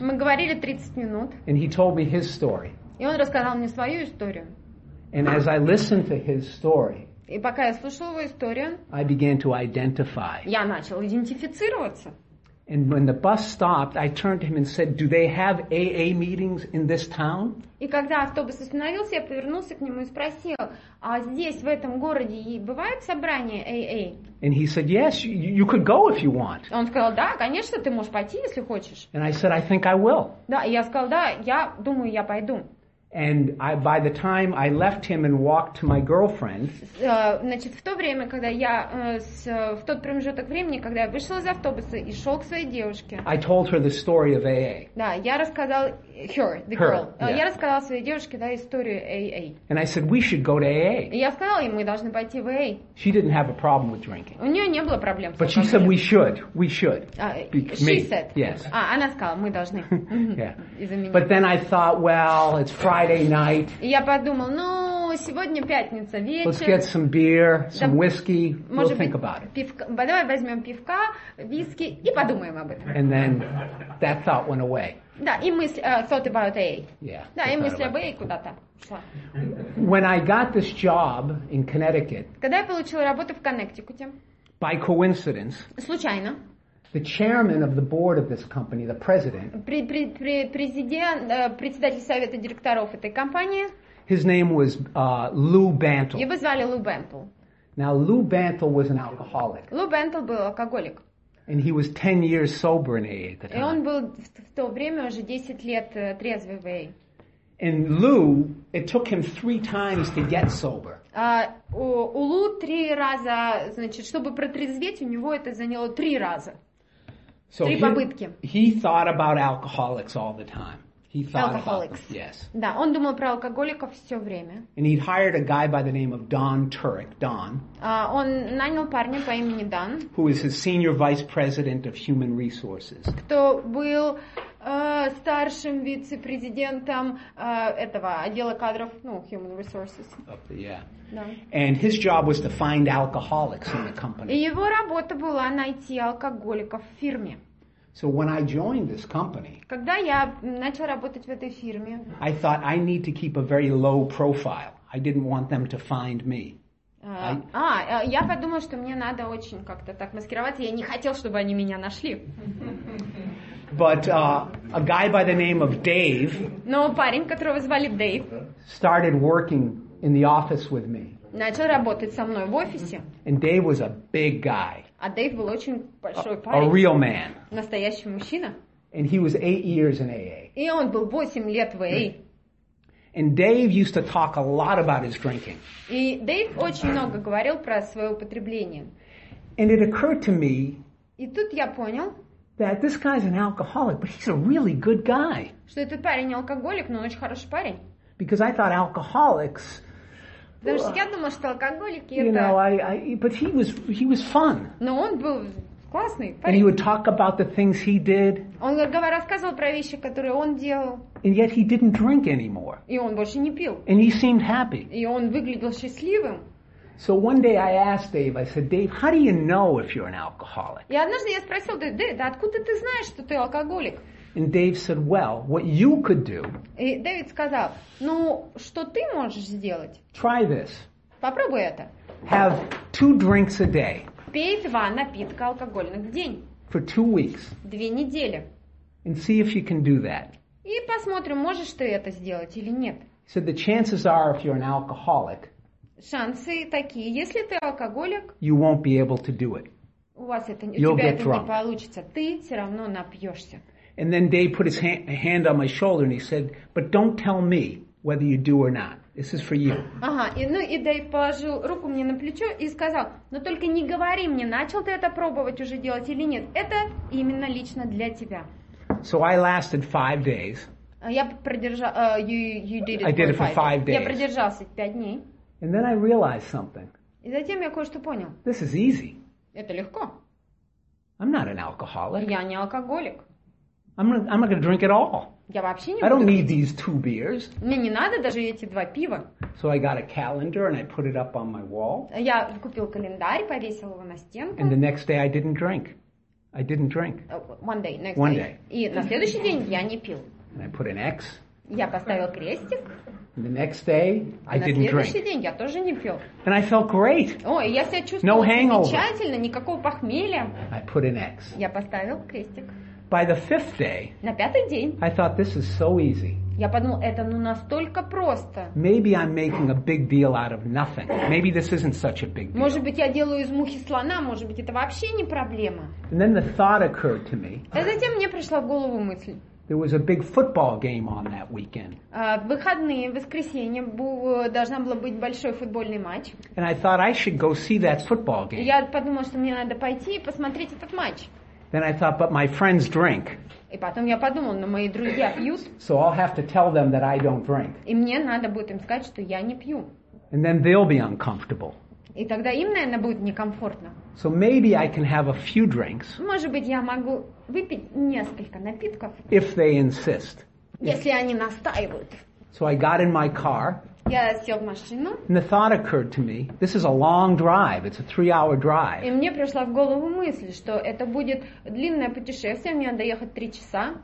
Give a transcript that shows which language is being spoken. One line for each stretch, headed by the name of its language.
Russian: Мы говорили 30 минут.
English: And he told me his story.
Russian: И он рассказал мне свою историю.
English: And as I listened to his story,
Russian: и пока я слушал его историю,
English: I began to identify.
Russian: Я начал идентифицироваться.
English: And when the bus stopped, I turned to him and said, "Do they have AA meetings in this town?"
Russian: И когда автобус остановился, я повернулся к нему и спросил, а здесь в этом городе бывают собрания AA?
English: And he said, "Yes, you could go if you want."
Russian: Он сказал, да, конечно, ты можешь пойти, если хочешь.
English: And I said, "I think I will."
Russian: Да, я сказал, да, я думаю, я пойду.
English: And I, by the time I left him and walked to my girlfriend,
Russian: значит, в то время, когда я в тот промежуток времени, когда я вышел из автобуса и шел к своей девушке,
English: I told her the story of AA.
Russian: Да, я рассказал
English: girl. Yeah.
Russian: Я рассказал своей девушке, да, историю AA.
English: And I said we should go to AA.
Russian: И я сказал ей, мы должны пойти в AA.
English: She didn't have a problem with drinking.
Russian: У нее не было проблем с
English: But
Russian: алкоголем.
English: She said we should. She said. Yes.
Russian: Она сказала, мы должны.
English: Yeah. But then I thought, well, it's Friday night.
Russian: Я подумал, ну, сегодня пятница, вечер.
English: Let's get some beer, some whiskey. We'll think about it.
Russian: Давай возьмем пивка, виски и подумаем об этом.
English: And then that thought went away.
Russian: Да, и мысль
English: thought about A. Yeah.
Russian: Да, и мысль об A куда-то ушла.
English: When I got this job in Connecticut.
Russian: Когда я получила работу в Коннектикуте.
English: By coincidence.
Russian: Случайно.
English: The chairman of the board of this company, the president.
Russian: Председатель совета директоров этой компании.
English: His name was Lou Bantle.
Russian: Его звали Лу Бентл.
English: Now Lou Bantle was an alcoholic.
Russian: Лу Бентл был алкоголик.
English: And he was 10 years sober in AA at the time.
Russian: И он был в то время уже 10 лет трезвый в AA.
English: And Lou, it took him 3 times to get sober.
Russian: У Лу 3 раза, значит, чтобы протрезветь, у него это заняло 3 раза.
English: So
Russian: три попытки.
English: He thought about alcoholics all the time. He thought alcoholics. About yes.
Russian: Да, он думал про алкоголиков все время.
English: And he'd hired a guy by the name of Don Turek. Don.
Russian: Он нанял парня по имени Дан.
English: Who is his senior vice president of human resources.
Russian: Кто был старшим вице-президентом этого отдела кадров, ну, human resources.
English: The, yeah.
Russian: Да.
English: And his job was to find alcoholics in the company.
Russian: И его работа была найти алкоголиков в фирме.
English: So when I joined this company,
Russian: когда я начал работать в этой фирме,
English: I thought I need to keep a very low profile. I didn't want them to find me.
Russian: Я подумал, что мне надо очень как-то так маскироваться. Я не хотел, чтобы они меня нашли.
English: But a guy by the name of Dave,
Russian: но парень, которого звали Дэйв,
English: started working in the office with me.
Russian: Начал работать со мной в офисе.
English: And Dave was a big guy.
Russian: А Дэйв был очень большой парень.
English: A real man.
Russian: Настоящий мужчина.
English: And he was 8 years in AA.
Russian: И он был 8 лет в AA.
English: And Dave used to talk a lot about his drinking.
Russian: И Дэйв очень много говорил про свое употребление.
English: And it occurred to me.
Russian: И тут я понял.
English: That this guy's an alcoholic, but he's a really good guy.
Russian: Что этот парень алкоголик, но он очень хороший парень.
English: Because I thought alcoholics.
Russian: Потому что я думала, что алкоголики это.
English: You know, but he was fun.
Russian: Но он был классный парень.
English: And he would talk about the things he did.
Russian: Он рассказывал про вещи, которые он делал.
English: And yet he didn't drink anymore.
Russian: И он больше не пил.
English: And he seemed happy.
Russian: И он выглядел счастливым.
English: So one day I asked Dave, I said, Dave, how do you know if you're an alcoholic?
Russian: И однажды я спросил Дэйв, откуда ты знаешь, что ты алкоголик?
English: And Dave said, well, what you could do.
Russian: И Дэвид сказал, ну, что ты можешь сделать?
English: Try this.
Russian: Попробуй это.
English: Have 2 drinks a day.
Russian: Пей 2 напитка алкогольных в день.
English: For 2 weeks.
Russian: 2 недели.
English: And see if you can do that.
Russian: И посмотрим, можешь ты это сделать или нет.
English: He said, the chances are if you're an alcoholic.
Russian: Шансы такие, если ты алкоголик,
English: you won't be able to do it.
Russian: У вас это,
English: you'll
Russian: у тебя
English: get
Russian: это
English: drunk.
Russian: Не получится, ты все равно напьешься.
English: And then Dave put his hand on my shoulder and he said, but don't tell me whether you do or not. This is for you.
Russian: Ага, и Дэйв положил руку мне на плечо и сказал, но только не говори мне, начал ты это пробовать уже делать или нет. Это именно лично для тебя.
English: So I lasted 5 days.
Russian: Я продержался 5 дней.
English: And then I realized something.
Russian: И затем я кое-что понял.
English: This is easy.
Russian: Это легко.
English: I'm not an alcoholic.
Russian: Я не алкоголик.
English: I'm not going to drink at all.
Russian: Я вообще не
English: I
Russian: буду
English: don't
Russian: пить.
English: Need these 2 beers.
Russian: Мне не надо даже эти 2 пива.
English: So I got a calendar and I put it up on my wall.
Russian: Я купил календарь, повесил его на стенку.
English: And the next day I didn't drink. I didn't drink. One day. Next One day. Day.
Russian: И на следующий день я не пил.
English: And I put an X.
Russian: Я поставил крестик.
English: The next day, I didn't drink.
Russian: На следующий день я тоже не пил.
English: And I felt great.
Russian: Ой, я себя чувствовал замечательно, никакого похмелья.
English: I put an X.
Russian: Я поставил крестик.
English: By the fifth day,
Russian: на пятый день,
English: I thought this is so easy.
Russian: Я подумал, это ну настолько просто.
English: Maybe I'm making a big deal out of nothing. Maybe this isn't such a big deal.
Russian: Может быть, я делаю из мухи слона, может быть, это вообще не проблема.
English: And then the thought occurred to me.
Russian: А затем мне пришла в голову мысль.
English: There was a big football game on that weekend.
Russian: В выходные, в воскресенье, должна была быть большой футбольный матч.
English: And I thought I should go see that football game.
Russian: Я подумала, что мне надо пойти и посмотреть этот матч.
English: Then I thought, but my friends drink.
Russian: И потом я подумала, но мои друзья пьют.
English: So I'll have to tell them that I don't drink.
Russian: И мне надо будет им сказать, что я не пью.
English: And then they'll be uncomfortable.
Russian: И тогда им, наверное, будет некомфортно.
English: So maybe I can have a few drinks.
Russian: Может быть, я могу выпить несколько напитков.
English: If they insist.
Russian: Если они настаивают.
English: So I got in my car.
Russian: Я сел в машину.
English: And the thought occurred to me, this is a long drive, it's a 3-hour drive.
Russian: И мне пришла в голову мысль, что это будет длинное путешествие, мне надо ехать 3 часа.